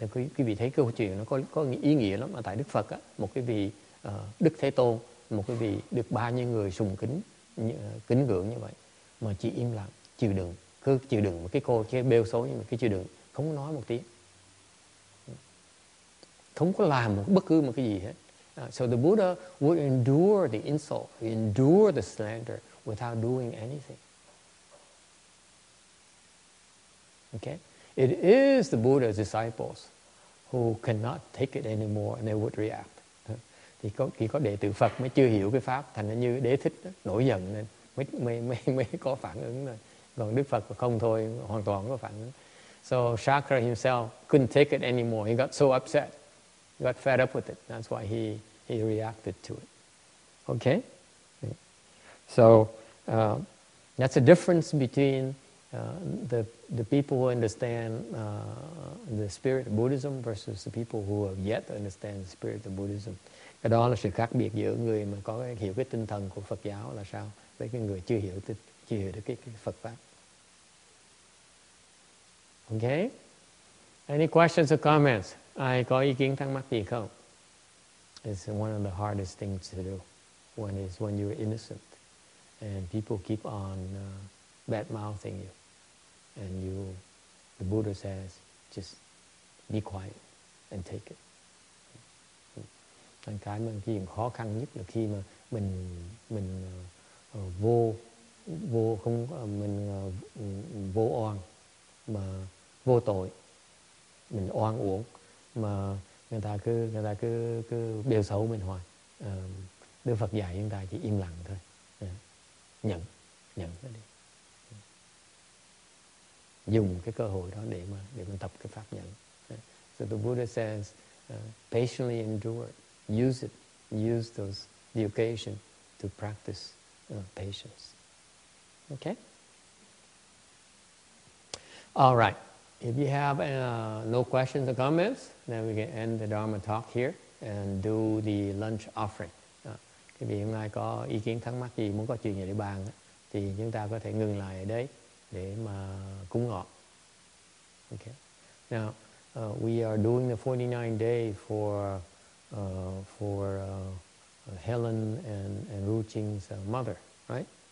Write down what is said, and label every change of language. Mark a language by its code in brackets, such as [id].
[vi] Quý vị thấy câu chuyện nó có ý nghĩa lắm, mà tại Đức Phật á, một cái vị Đức Thế Tôn, một cái vị được bao nhiêu người sùng kính, kính ngưỡng như vậy, mà chỉ im lặng, chịu đựng, cứ chịu đựng một cái cô kia bêu xấu, nhưng mà cứ chịu đựng, không có nói một tiếng, không có làm một bất cứ một cái gì hết. [en] So the Buddha would endure the insult, endure the slander without doing anything. Okay? it is the Buddha's disciples who cannot take it anymore and they would react. [vi] Thì có khi có đệ tử Phật mới chưa hiểu cái pháp, thành ra như đế thích đó, nổi giận nên mới có phản ứng rồi. Còn Đức Phật không thôi, hoàn toàn có phản ứng. [en] So Shakra himself couldn't take it anymore. He got so upset. He got fed up with it. That's why he reacted to it. Okay? So that's the difference between the people who understand the spirit of Buddhism versus the people who have yet to understand the spirit of Buddhism. [vi] Cái đó là sự khác biệt giữa người mà có hiểu cái tinh thần của Phật giáo là sao với cái người chưa hiểu được cái Phật pháp. [en] Okay? Any questions or comments? [vi] Ai có ý kiến thắc mắc gì không? [en] It's one of the hardest things to do when you're innocent and people keep on bad-mouthing you. And the Buddha says, just be quiet and take it. [vi] Thành cái mà khi khó khăn nhất là khi mà mình vô oan mà vô tội, mình oan uổng mà người ta cứ bêu xấu mình hoài. Đức Phật dạy chúng ta chỉ im lặng thôi, nhận nó đi, dùng cái cơ hội đó để mình tập cái pháp nhận. [en] So the Buddha says patiently endure it. Use the occasion to practice patience. Okay? All right. If you have no questions or comments, then we can end the Dharma talk here and do the lunch offering. [vi] Cái vị hôm nay có ý kiến thắc mắc gì, muốn có chuyện gì để bàn, thì chúng ta có thể ngừng lại ở đây để mà cúng ngọt. [en] Okay. Now, we are doing the 49 day for Helen and Ruching's mother, right?